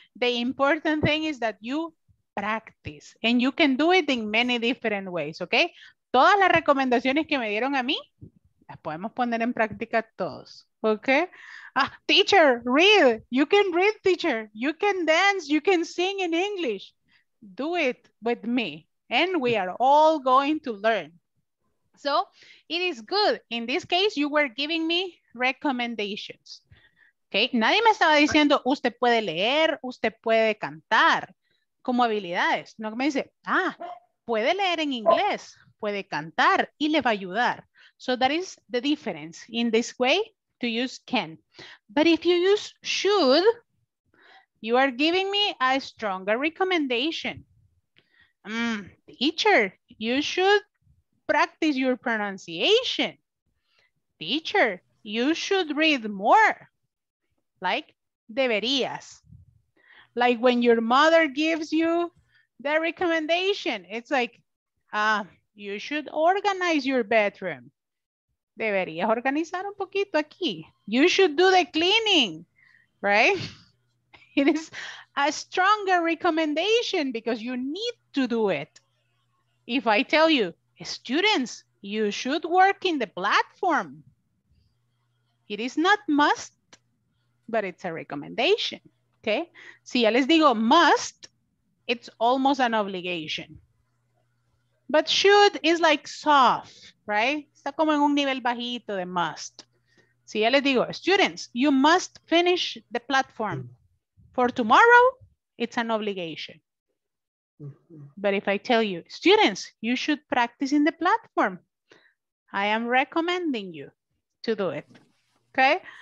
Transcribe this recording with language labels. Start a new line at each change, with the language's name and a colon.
English: The important thing is that you practice and you can do it in many different ways, okay?
Spanish: Todas las recomendaciones que me dieron a mí, las podemos poner en práctica todos, okay?
English: Ah, teacher, read. You can read, teacher. You can dance. You can sing in English. Do it with me and we are all going to learn. So it is good. In this case, you were giving me recommendations. Okay.
Spanish: Nadie me estaba diciendo, usted puede leer, usted puede cantar como habilidades. No me dice, puede leer en inglés, puede cantar y le va a ayudar.
English: So that is the difference in this way to use can. But if you use should, you are giving me a stronger recommendation. Teacher, you should practice your pronunciation. Teacher, you should read more. Like deberías. Like when your mother gives you the recommendation, it's like, you should organize your bedroom.
Spanish: Deberías organizar un poquito aquí.
English: You should do the cleaning, right? It is a stronger recommendation because you need to do it. If I tell you, students, you should work in the platform. It is not must, but it's a recommendation, okay?
Spanish: Si ya les digo
English: must, it's almost an obligation. But should is like soft, right?
Spanish: Está como en un nivel bajito de must. Si ya les digo,
English: students, you must finish the platform for tomorrow, it's an obligation. But if I tell you, students, you should practice in the platform, I am recommending you to do it, okay?